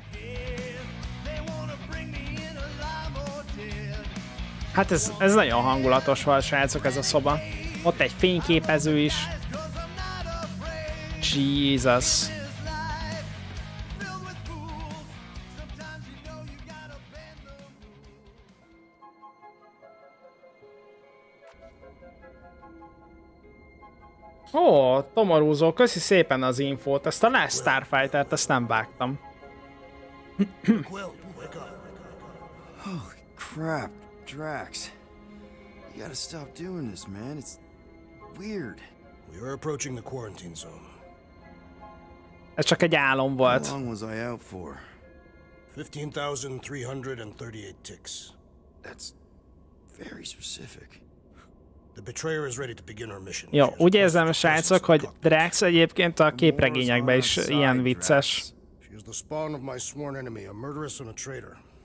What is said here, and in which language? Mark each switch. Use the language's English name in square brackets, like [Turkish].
[English] They wanna bring me in alive or dead. [Hungarian] Hát ez nagyon hangulatos volt, srácok, ez a szoba. Ott egy fényképező is. [English] Jesus. [Hungarian] Ó, tomorúzó, köszi szépen az infót, ezt a Last Starfightert, ezt nem vágtam. [English] Holy crap, Drax. You gotta stop doing this, man. It's weird. We are approaching the quarantine zone. [Hungarian] Ez csak egy álom volt. [English] How long was I out for? 15,338 ticks. That's very specific. The betrayer is ready to begin our mission. [Hungarian] Jó, úgy érzem, srácok, hogy Drax egyébként a képregényekben is ilyen vicces. [English] She is the spawn of my sworn enemy, a murderess and a traitor.